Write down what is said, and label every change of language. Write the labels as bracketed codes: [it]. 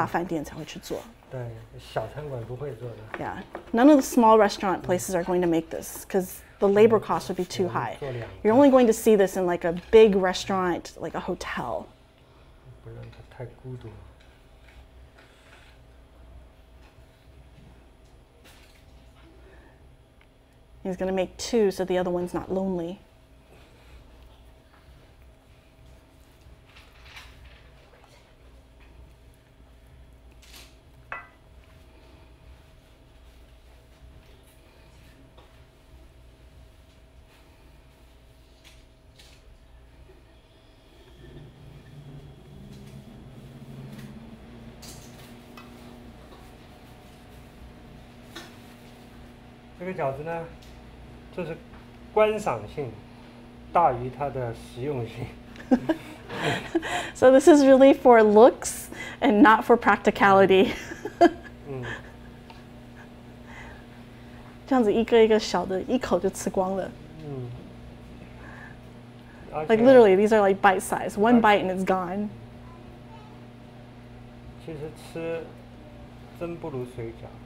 [zh] 这个真的就是没有一个餐馆会在这边做这个。这真的还真的只有那种大饭店才会去做。对，小餐馆不会做的。 [en] Yeah, none of the small restaurant places are going to make this because the labor cost would be too high. You're only going to see this in like a big restaurant, like a hotel. [zh] 不然它太孤独。 [en] He's going to make two so the other one's not lonely. [zh] 这个饺子呢，就是观赏性大于它的实用性。 [en] So this is really for looks and not for practicality. [zh] 这样子一个一个小的，一口就吃光了。 [en] Like literally, these are like bite size. One bite and it's gone. [zh] 其实吃真不如水饺。